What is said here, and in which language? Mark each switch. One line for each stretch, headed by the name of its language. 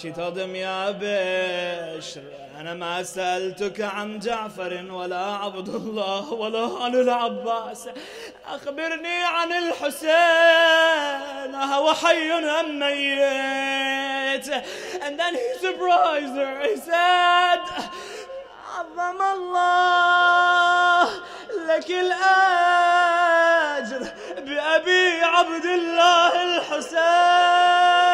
English: She told him,
Arabic: Ya Bishr, أنا ما سألتك عن جعفر ولا عبد الله ولا عن العباس. أخبرني عن الحسين. أهو حي أم ميت؟
English: And then he surprised her. He said,
Arabic: عظم الله لك الأجر بأبي عبد الله الحسين.